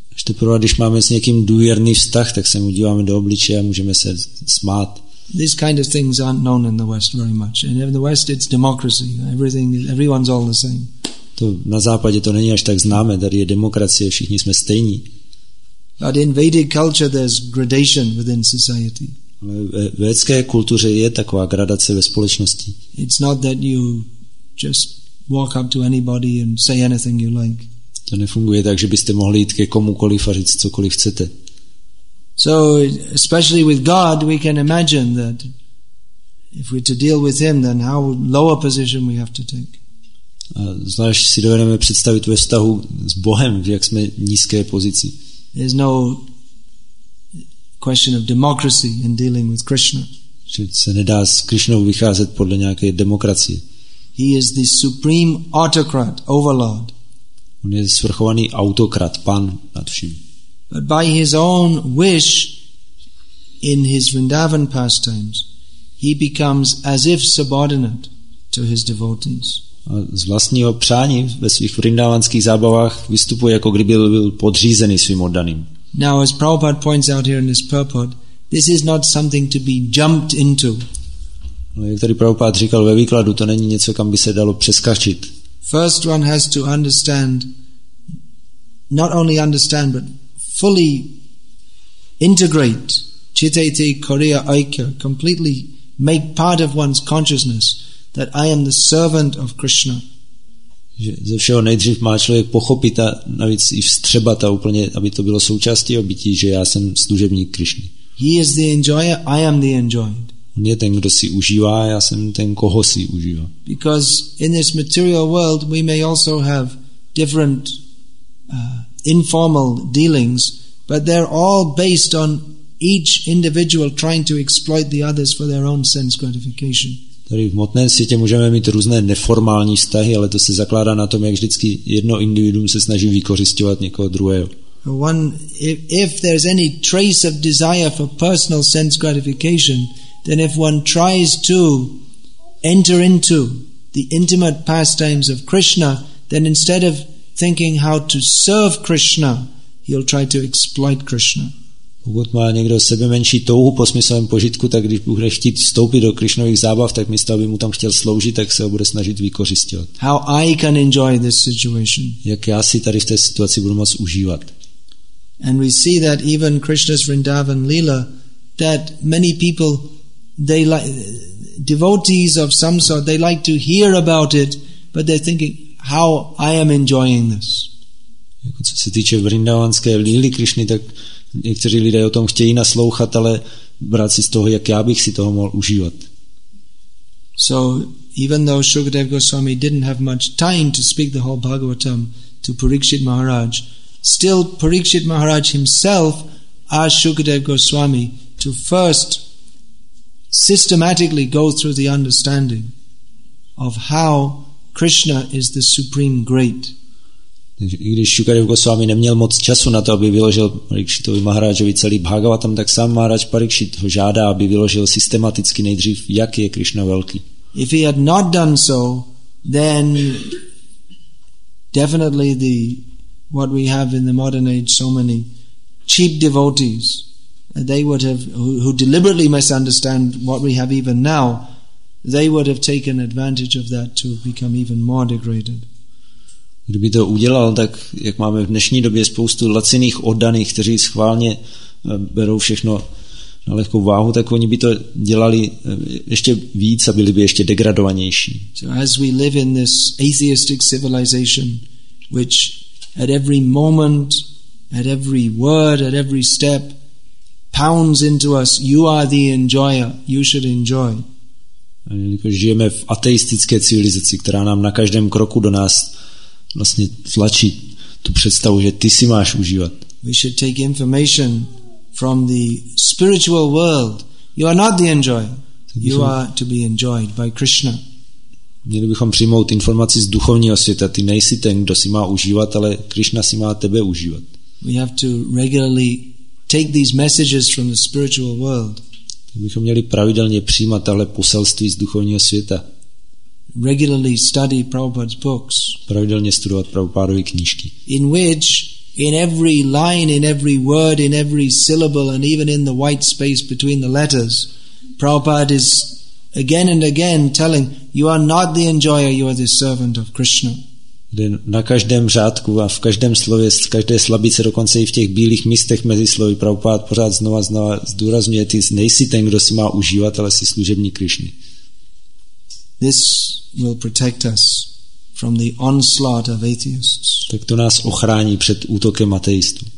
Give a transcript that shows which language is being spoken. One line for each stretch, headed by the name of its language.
Czech: Teprve, když máme s někým důvěrný vztah, tak se mu díváme do obličeje a můžeme se smát.
English: These kind of things aren't known in the West very much. And in the West it's democracy. Everyone's all the same.
Czech: To na západě to není až tak známé, tady je demokracie, všichni jsme stejní.
English: But in Vedic culture there's gradation within society.
Czech: Ale v védské kultuře je taková gradace ve společnosti.
English: It's not that you just walk up to anybody and say anything you like.
Czech: To nefunguje tak, že byste mohli jít ke komukoliv a říct cokoliv chcete.
English: So especially with God we can imagine that if we to deal with him then how lower position we have to take.
Czech: A zvlášť si dovedeme představit ve vztahu s Bohem, v jak jsme nízké pozici.
English: There's no question of democracy in dealing with Krishna.
Czech: Že se nedá s Krishnou vycházet podle nějaké demokracie.
English: He is the supreme autocrat, overlord.
Czech: On je svrchovaný autokrat, pan nad vším.
English: But by his own wish in his Vrindavan pastimes he becomes as if subordinate to his devotees.
Czech: A z vlastního přání ve svých vrindavanských zábavách vystupuje jako kdyby byl podřízený svým oddaným.
English: Now as Prabhupada points out here in his purport, this is not something to be jumped into.
Czech: No, jak tady Prabhupada říkal ve výkladu, to není něco, kam by se dalo přeskačit.
English: First one has to understand, not only understand, but fully integrate chitaiti koriya aikya, completely make part of one's consciousness that I am the servant of Krishna.
Czech: Ze všeho nejdřív má člověk pochopit a navíc i vstřebat a úplně, aby to bylo součástí obytí, že já jsem služebník Krishny.
English: He is the enjoyer, I am the enjoyed.
Czech: On je ten, kdo si užívá, já jsem ten, koho si užívá.
English: Because in this material world we may also have different informal dealings, but they're all based on each individual trying to exploit the others for their own sense gratification.
Czech: Tady v hmotném světě můžeme mít různé neformální vztahy, ale to se zakládá na tom, jak vždycky jedno individuum se snaží vykořisťovat někoho druhého.
English: One, if there's any trace of desire for personal sense gratification, then if one tries to enter into the intimate pastimes of Krishna, then instead of thinking how to serve Krishna, he'll try to exploit Krishna.
Czech: Pokud má někdo sebe menší touhu po smyslovém požitku, tak když bude chtít vstoupit do Krishnových zábav, tak místo aby mu tam chtěl sloužit, tak se ho bude snažit vykořisťovat.
English: How I can enjoy this situation.
Czech: Jak já si tady v té situaci budu moc užívat.
English: And we see that even Krishna's Vrindavan Leela, that many people, they like devotees of some sort, they like to hear about it, but they're thinking how I am enjoying this.
Czech: Jako co se týče vrindavanské líly Krišny, tak někteří lidé o tom chtějí naslouchat, ale brát si z toho, jak já bych si toho mohl užívat.
English: So even though Shukadev Goswami didn't have much time to speak the whole Bhagavatam to Parikshit Maharaj, still Parikshit Maharaj himself asked Shukadev Goswami to first systematically go through the understanding of how Krishna is the supreme great.
Czech: I když Shukadev Goswami neměl moc času na to, aby vyložil Parikšitovi Maharajovi celý Bhagavatam, tak sám Maharaj Parikšit ho žádá, aby vyložil systematicky nejdřív, jak je Krishna velký.
English: If he had not done so, then definitely the what we have in the modern age, so many cheap devotees, they would have who deliberately misunderstand what we have even now, they would have taken advantage of that to become even more degraded.
Czech: Kdyby to udělal, tak jak máme v dnešní době spoustu laciných oddaných, kteří schválně berou všechno na lehkou váhu, tak oni by to dělali ještě víc a byli by ještě degradovanější.
English: So as we live in this atheistic civilization, which at every moment, at every word, at every step pounds into us, you are the enjoyer, you should enjoy.
Czech: A jelikož žijeme v ateistické civilizaci, která nám na každém kroku do nás vlastně tlačí tu představu, že ty si máš užívat.
English: We should take information from the spiritual world. You are not the enjoyer. You are to be enjoyed by Krishna.
Czech: Měli bychom přijmout informaci z duchovního světa. Ty nejsi ten, kdo si má užívat, ale Krishna si má tebe užívat.
English: We have to regularly take these messages from the spiritual world.
Czech: Tak bychom měli pravidelně přijímat tahle poselství z duchovního světa.
English: Regularly study Prabhupada's books.
Czech: Pravidelně studovat Prabhupádovy knížky.
English: In which, in every line, in every word, in every syllable, and even in the white space between the letters, Prabhupada is again and again telling, you are not the enjoyer, you are the servant of Krishna.
Czech: Na každém řádku a v každém slově, z každé slabice, dokonce i v těch bílých místech mezi slovy, Prabhupada pořád znova zdůrazňuje, ty nejsi ten, kdo si má užívat, ale si služební Krishny.
English: This will protect us from the onslaught of atheists.
Czech: Tak to nás ochrání před útokem ateistů.